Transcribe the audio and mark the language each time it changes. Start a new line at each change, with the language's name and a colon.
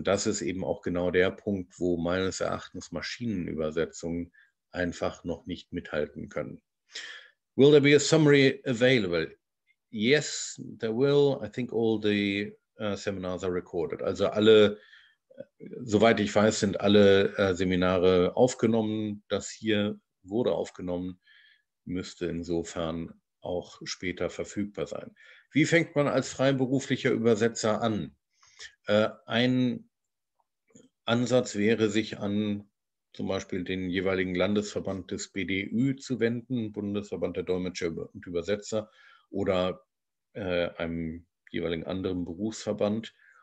German: Und das ist eben auch genau der Punkt, wo meines Erachtens Maschinenübersetzungen einfach noch nicht mithalten können.
English: Will there be a summary available? Yes, there will. I think all the seminars are recorded.
German: Also alle, soweit ich weiß, sind alle Seminare aufgenommen. Das hier wurde aufgenommen, müsste insofern auch später verfügbar sein. Wie fängt man als freiberuflicher Übersetzer an? Ein Ansatz wäre, sich an zum Beispiel den jeweiligen Landesverband des BDÜ zu wenden, Bundesverband der Dolmetscher und Übersetzer, oder einem jeweiligen anderen Berufsverband.